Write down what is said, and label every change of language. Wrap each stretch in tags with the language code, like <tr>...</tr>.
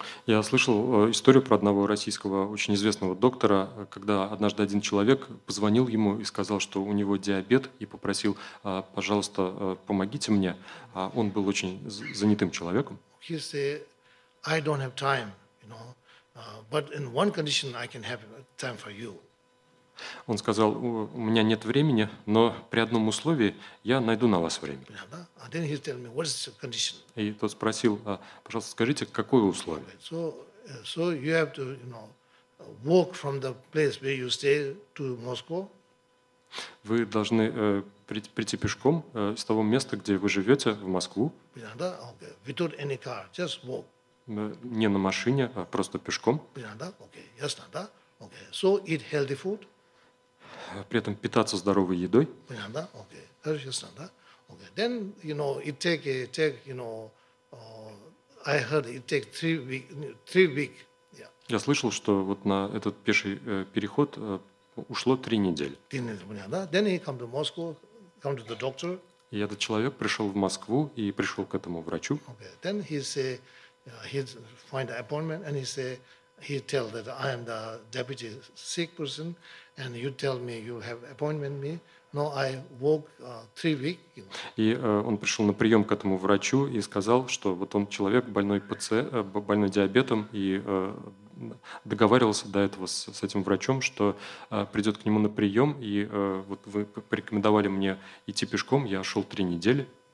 <ru>Я слышал историю про одного российского очень известного доктора, когда однажды один человек позвонил ему и сказал, что у него диабет, и попросил, пожалуйста, помогите мне. Он был очень занятым человеком.</ru> <en>He said, I don't have time, you know. But in one condition I can have time for you.</en> <ru>Он сказал, у меня нет времени, но при одном условии я найду на вас время.</ru> <en>And then he told me, what is the condition?</en> <ru>И тот спросил, пожалуйста, скажите, какое условие?</ru> <en>So you have to, you know, walk from the place where you stay to Moscow.</en> <ru>Вы должны прийти пешком с того места, где вы живете, в Москву.</ru> <en>Okay. Without any car, just walk.</en> <ru>Не на машине, а просто пешком.</ru> <en>Okay,</en> <ru>ясно, да?</ru> <en>Okay. So eat healthy food.</en> <ru>При этом питаться здоровой едой. Понятно, okay. Хорошо, ясно, да? Okay.</ru> <en>Then, you know, it take, you know, I heard it take three weeks. Yeah.</en> <ru>Я слышал, что вот на этот пеший переход ушло 3 недели. 3 недели, понятно.</ru> <en>Then he come to Moscow, come to the doctor.</en> <ru>И этот человек пришел в Москву и пришел к этому врачу.</ru> <en>Okay. Then he say, he'd find an appointment and he say, he tell that I am the deputy sick person and you tell me you have appointment me. No, I walk 3 weeks. You know.</en> <ru>И он пришел на прием к этому врачу и сказал, что вот он человек больной больной диабетом и договаривался до этого с этим врачом, что придет к нему на прием и вот вы порекомендовали мне идти пешком, я шел 3 недели.</ru>